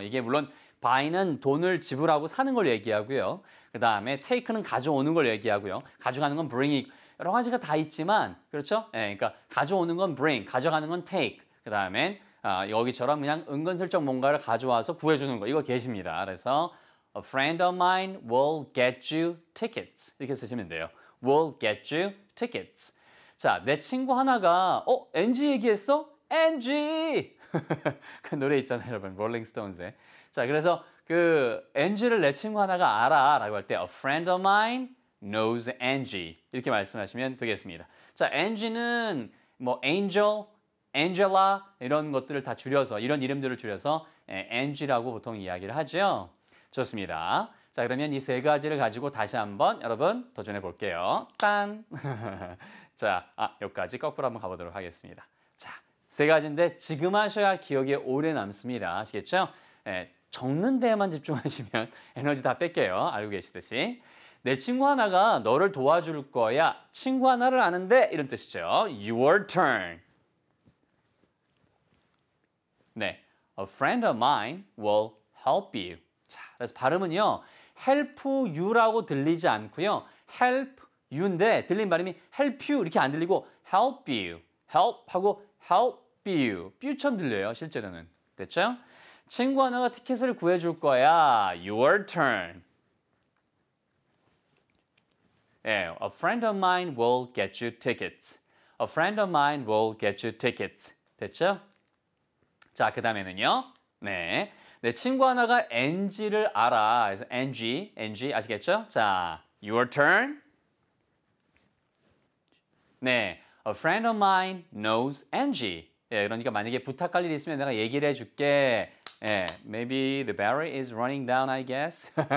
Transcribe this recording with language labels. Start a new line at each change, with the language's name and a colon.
Korean: 이게 물론 buy는 돈을 지불하고 사는 걸 얘기하고요. 그 다음에 take는 가져오는 걸 얘기하고요. 가져가는 건 bring. 여러 가지가 다 있지만, 그렇죠? 예, 그러니까 가져오는 건 bring, 가져가는 건 take. 그 다음에 여기처럼 그냥 은근슬쩍 뭔가를 가져와서 구해주는 거. 이거 get입니다.
English: 그래서 A friend of mine will get you tickets.
Korean: 이렇게 쓰시면 돼요.
English: Will get you tickets.
Korean: 자, 내 친구 하나가 NG 얘기했어? NG! 그 노래 있잖아요, 여러분. Rolling Stones의. 자, 그래서 그 NG를 내 친구 하나가 알아 라고 할 때
English: A friend of mine knows NG.
Korean: 이렇게 말씀하시면 되겠습니다. 자, NG는 뭐 Angel, Angela 이런 것들을 다 줄여서 이런 이름들을 줄여서 NG라고 보통 이야기를 하죠. 좋습니다. 자, 그러면 이 세 가지를 가지고 다시 한번 여러분 도전해 볼게요. 딴! 자, 여기까지 거꾸로 한번 가보도록 하겠습니다. 자, 세 가지인데 지금 하셔야 기억에 오래 남습니다. 아시겠죠? 예, 적는 데에만 집중하시면 에너지 다 뺏겨요. 알고 계시듯이. 내 친구 하나가 너를 도와줄 거야. 친구 하나를 아는데 이런 뜻이죠.
English: Your turn. 네, a friend of mine will help you.
Korean: 자, 그래서 발음은요, help you라고 들리지 않고요, help you인데 들린 발음이 help you 이렇게 안 들리고 help you, help하고 help you, 뷰처럼 들려요, 실제로는. 됐죠? 친구 하나가 티켓을 구해줄 거야,
English: your turn. 네, a friend of mine will get you tickets. A friend of mine will get you tickets.
Korean: 됐죠? 자, 그 다음에는요, 네. 내 친구 하나가 NG를 알아. 그래서 NG 아시겠죠? 자,
English: your turn. 네, a friend of mine knows NG.
Korean: 예, 그러니까 만약에 부탁할 일이 있으면 내가 얘기를 해줄게.
English: 예, maybe the battery is running down, I guess.